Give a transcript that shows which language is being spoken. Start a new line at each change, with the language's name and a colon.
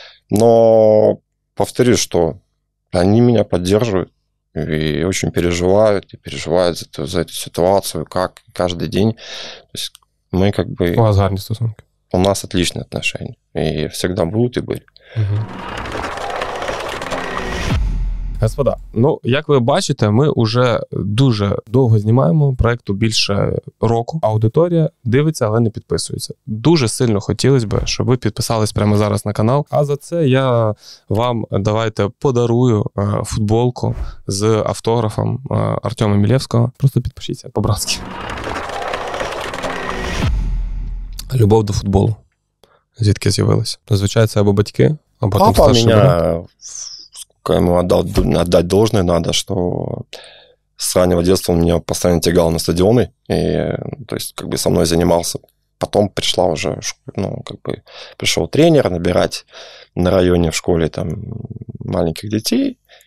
Russian: Но повторюсь, что они меня поддерживают и очень переживают, и переживают за эту ситуацию, как каждый день. То есть мы как бы...
Ukrainian: У вас гарні стосунки.
Russian: У нас отличные отношения. И всегда будут и были.
Ukrainian: Господа, ну, як ви бачите, ми вже дуже довго знімаємо проєкту, більше року. Аудиторія дивиться, але не підписується. Дуже сильно хотілося б, щоб ви підписались прямо зараз на канал. А за це я вам, давайте, подарую футболку з автографом Артема Мілєвського. Просто підпишіться по-братськи. Любов до футболу. Звідки з'явилася? Зазвичай це або батьки, або там старший брат.
Russian: Ему отдать должное надо, что с раннего детства он меня постоянно тягал на стадионы, и то есть как бы со мной занимался. Потом пришла уже, ну, как бы пришел тренер набирать на районе в школе там маленьких детей.